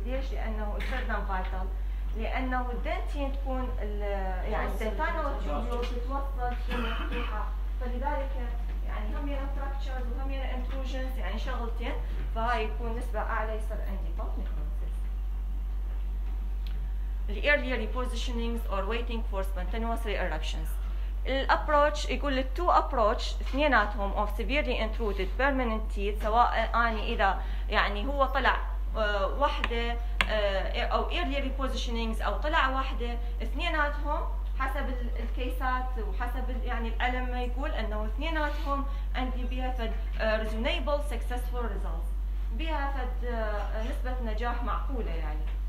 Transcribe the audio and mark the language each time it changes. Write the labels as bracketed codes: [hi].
[ar] ليش؟ لانه يصير نون فايتال لانه الدنتين تكون يعني الدنتانو تيوب تتوصل تكون مفتوحه فلذلك يعني هم يرى فراكتشرز وهم يرى انتروجنز يعني شغلتين فهاي يكون نسبه اعلى يصير عندي بالنكروسيس. [en] The early repositionings or waiting for spontaneous re-eruptions. [ar] الابروتش يقول التو ابروتش اثنيناتهم [en] of severely intruded permanent teeth [ar] سواء اني اذا يعني هو طلع وحده او early repositionings او طلع واحده اثنيناتهم حسب الكيسات وحسب يعني الالم ما يقول انه اثنيناتهم عندي بها فد [en] reasonable successful results [ar] بها فد نسبه نجاح معقوله يعني